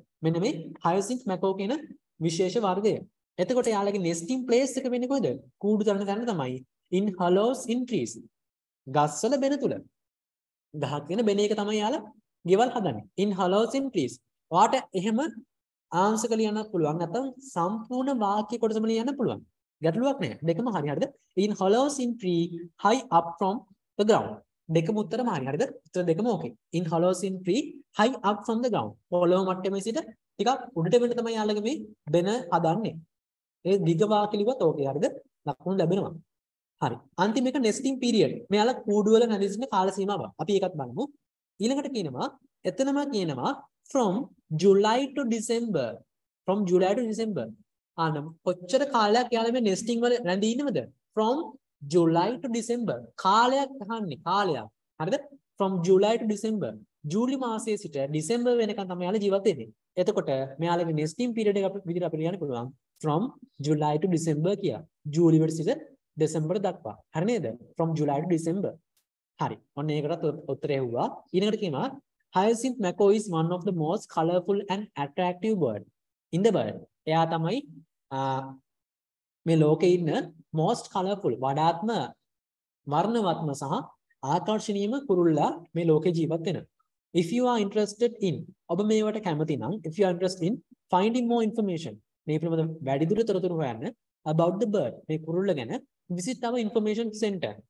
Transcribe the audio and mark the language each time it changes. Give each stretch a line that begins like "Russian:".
Sinhala: මෙන්න මේ hyacinth macaw කියන විශේෂ වර්ගය. එතකොට යාලගේ nesting place එක වෙන්නේ කොහෙද? කූඩු තනන තැන තමයි.
English: In hollows in trees.
Sinhala: ගස්වල බෙන තුල. ගහක් වෙන බෙන එක තමයි යාලා ගෙවල් හදන්නේ. In hollows in trees. ඔයාට එහෙම answer කලියන්න පුළුවන්. නැත්නම් සම්පූර්ණ වාක්‍ය කොටසම ලියන්න පුළුවන්. ගැටලුවක් නෑ. දෙකම හරි. හරිද?
English: In hollows in tree high up from the ground.
Sinhala: දෙකම උත්තරම හරි. හරිද? උත්තර දෙකම ඕකේ.
English: In hollows in tree high up from the ground.
Sinhala: පොළොව මට්ටමේ සිට ටිකක් උඩට වෙන්න තමයි යාලගේ මේ බෙන හදන්නේ. ඒ දිග වාක්‍ය ලිව්වත් ඕකේ. හරිද? ලකුණු ලැබෙනවා. හරි. අන්තිම එක nesting period. මෙයාලා කූඩුව වල නැදින්න කාල සීමාව. අපි ඒකත් බලමු. ඊළඟට කියනවා එතනම කියනවා
English: from July to December. From July to December.
Sinhala: අන්න කොච්චර කාලයක් යාලේ මේ nesting වල රැඳී ඉන්නවද?
English: From July to December.
Sinhala: කාලයක් අහන්නේ කාලයක්. හරිද?
English: From July to December.
Sinhala: ජූලි මාසයේ සිට December වෙනකන් තමයි යාලේ ජීවත් වෙන්නේ. එතකොට මෙයාලගේ nesting period එක විදිහට අපි ලියන්න පුළුවන්
English: from July to December
Sinhala: කියලා. ජූලි වල සිට December දක්වා. හරි නේද?
English: From July to December.
Sinhala: හරි. ඔන්න ඒකටත් උත්තරය ඇහුවා. ඊළඟට කියනවා
English: hyacinth macaw is one of the most colorful and attractive bird in the world.
Sinhala: එයා තමයි මේ ලෝකේ ඉන්න most colorful වඩාත්ම වර්ණවත්ම සහ ආකර්ෂණීයම කුරුල්ලා මේ ලෝකේ ජීවත් වෙන.
English: If you are interested in
Sinhala: ඔබ මේවට කැමති නම්
English: if you are interested in finding more information
Sinhala: මේ පිළිබඳ වැඩිදුර තොරතුරු හොයන්න
English: about the bird
Sinhala: මේ කුරුල්ල ගැන
English: visit our information center.